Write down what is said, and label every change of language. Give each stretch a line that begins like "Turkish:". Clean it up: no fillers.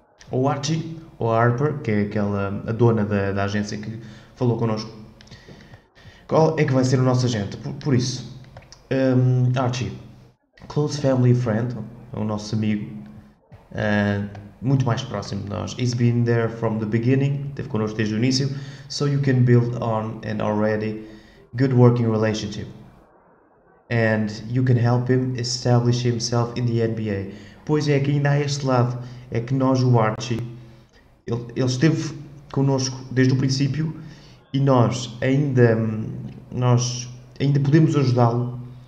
Portuguese: Ou Archie ou a Harper, que é aquela a dona da agência que falou connosco. Qual é que vai ser o nosso agente? Por isso, Archie.
English: Close family friend,
Portuguese: o nosso amigo, muito mais próximo de nós.
English: He's been there from the beginning,
Portuguese: esteve connosco desde o início,
English: so you can build on an already good working relationship. And you can help him establish himself in the NBA.
Portuguese: Pois é, que ainda há este lado, é que nós, o Archie, ele esteve connosco desde o princípio e nós ainda podemos ajudá-lo.